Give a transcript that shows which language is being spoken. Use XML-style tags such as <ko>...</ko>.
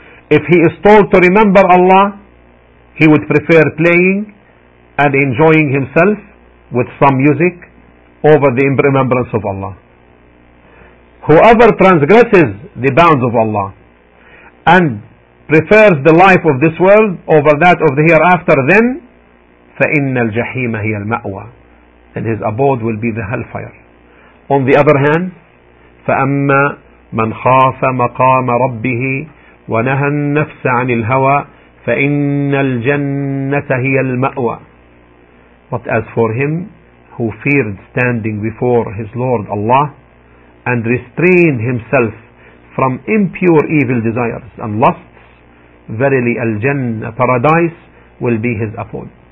<en>If he is told to remember Allah, he would prefer playing and enjoying himself with some music over the remembrance of Allah. whoever transgresses the bounds of Allah and prefers the life of this world over that of the hereafter, then</en> <ar>فَإِنَّ الْجَحِيمَ هِيَ الْمَأْوَى,</ar> <en>and his abode will be the hellfire. On the other hand,</en> <ar>فَأَمَّا مَنْ خَافَ مَقَامَ رَبِّهِ وَنَهَى النَّفْسَ عَنِ الْهَوَى فَإِنَّ الْجَنَّةَ هِيَ الْمَأْوَى.</ar> <en>But as for him who feared standing before his Lord Allah and restrained himself from impure evil desires and lusts, verily Al-Jannah, paradise, will be his abode.</en>